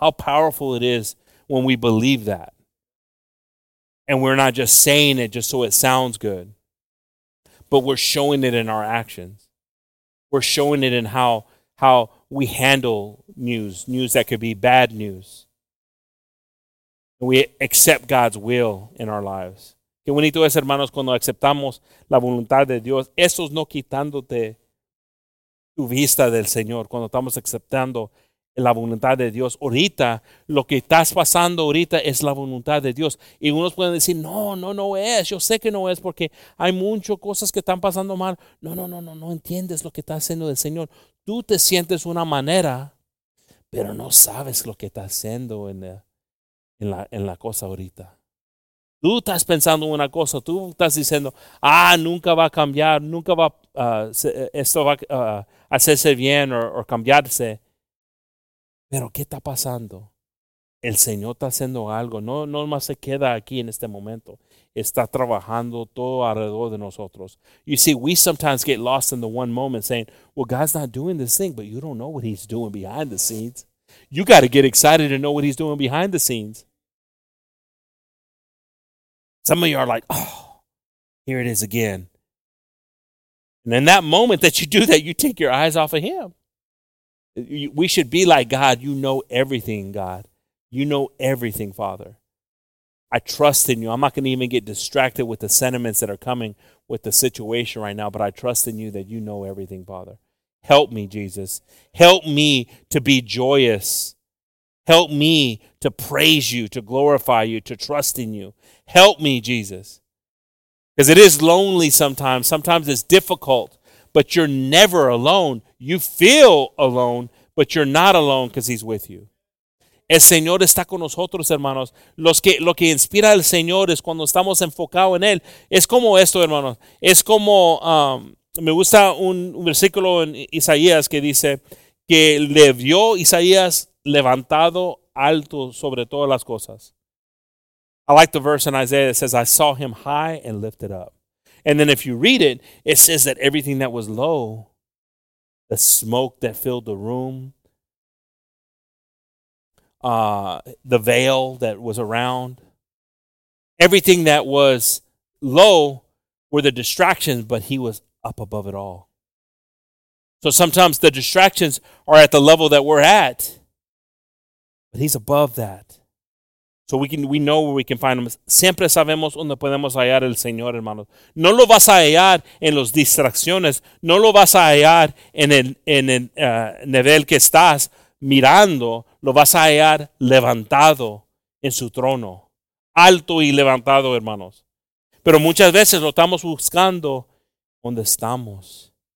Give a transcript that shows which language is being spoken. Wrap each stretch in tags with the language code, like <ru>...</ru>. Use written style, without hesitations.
<en>How powerful it is when we believe that. And we're not just saying it just so it sounds good, but we're showing it in our actions. We're showing it in how we handle news that could be bad news. We accept God's will in our lives.</en> <es>Qué bonito es, hermanos, cuando aceptamos la voluntad de Dios. Eso es no quitándote tu vista del Señor. Cuando estamos aceptando la voluntad de Dios. Ahorita, lo que estás pasando ahorita es la voluntad de Dios. Y unos pueden decir, no es. Yo sé que no es porque hay muchas cosas que están pasando mal. No entiendes lo que está haciendo el Señor. Tú te sientes una manera, pero no sabes lo que está haciendo en la cosa ahorita. Tú estás pensando una cosa, tú estás diciendo, nunca va a cambiar, nunca va, uh, esto va, uh, hacerse bien o cambiarse. Pero ¿qué está pasando? El Señor está haciendo algo. No más se queda aquí en este momento. Está trabajando todo alrededor de nosotros.</es> <en>You see, we sometimes get lost in the one moment saying, well, God's not doing this thing, but you don't know what he's doing behind the scenes. You got to get excited to know what he's doing behind the scenes. Some of you are like, oh, here it is again. And in that moment that you do that, you take your eyes off of him. We should be like, God, you know everything, God. You know everything, Father. I trust in you. I'm not going to even get distracted with the sentiments that are coming with the situation right now, but I trust in you that you know everything, Father. Help me, Jesus. Help me to be joyous. Help me to praise you, to glorify you, to trust in you. Help me, Jesus. Because it is lonely sometimes. Sometimes it's difficult, but you're never alone. You feel alone, but you're not alone because he's with you.</en> <es>El Señor está con nosotros, hermanos. Lo que inspira al Señor es cuando estamos enfocados en Él. Es como esto, hermanos. Es como, me gusta un versículo en Isaías que dice que le vio Isaías levantado alto sobre todas las cosas.</es> <en>I like the verse in Isaiah that says, I saw him high and lifted up. And then if you read it, it says that everything that was low, the smoke that filled the room, the veil that was around, everything that was low were the distractions, but he was up above it all. So sometimes the distractions are at the level that we're at, but he's above that. So we know where we can find him.</en> <es>Siempre sabemos donde podemos hallar el Señor, hermanos. No lo vas a hallar en las distracciones. No lo vas a hallar en el nivel que estás mirando. Lo vas a hallar levantado en su trono. Alto y levantado, hermanos. Pero muchas veces lo estamos buscando donde estamos.</es>